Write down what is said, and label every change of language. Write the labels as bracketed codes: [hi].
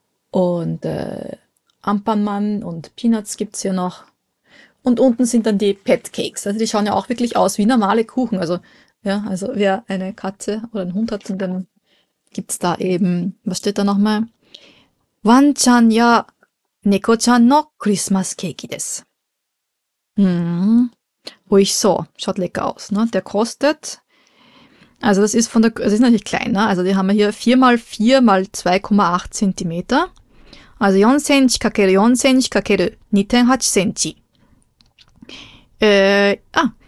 [de] Und Ampanman und Peanuts gibt es hier noch. Und unten sind dann die Pet Cakes. Also die schauen ja auch wirklich aus wie normale Kuchen. Also, ja, also wer eine Katze oder einen Hund hat, dann gibt es da eben, was steht da nochmal? Wanchan ja [ja] 猫ちゃんのクリスマスケーキです。 [de] Ui so, schaut lecker aus, ne? Der kostet, also das ist von der, das ist natürlich klein, ne? Also die haben wir hier 4x4 mal 2,8 cm. Also 4 cm × 4 cm × 2,8 cm.